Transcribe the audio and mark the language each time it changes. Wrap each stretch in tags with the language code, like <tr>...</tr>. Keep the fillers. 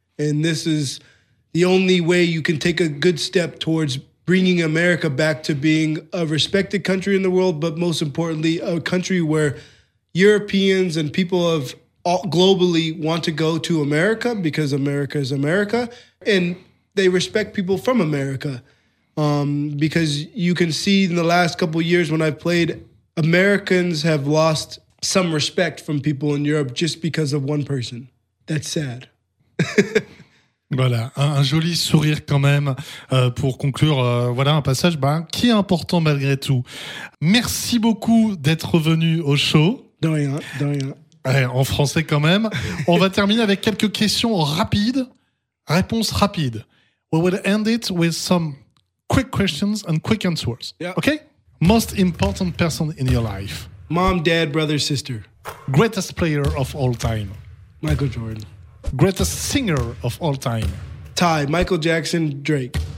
<en>And this is the only way you can take a good step towards bringing America back to being a respected country in the world, but most importantly, a country where Europeans and people of all, globally want to go to America because America is America, and they respect people from America. Um, because you can see in the last couple of years when I've played, Americans have lost some respect from people in Europe just because of one person. That's sad.</en> <fr>Voilà, un, un joli sourire quand même euh, pour conclure. euh, voilà un passage ben, qui est important malgré tout. Merci beaucoup d'être venu au show. De rien, de rien. Ouais, en français quand même. On va terminer avec quelques questions rapides. Réponse rapide.</fr> <en>We will end it with some quick questions and quick answers. Yeah. Okay? Most important person in your life. Mom, dad, brother, sister. Greatest player of all time. Michael Jordan. Greatest singer of all time. Ty, Michael Jackson, Drake.</en>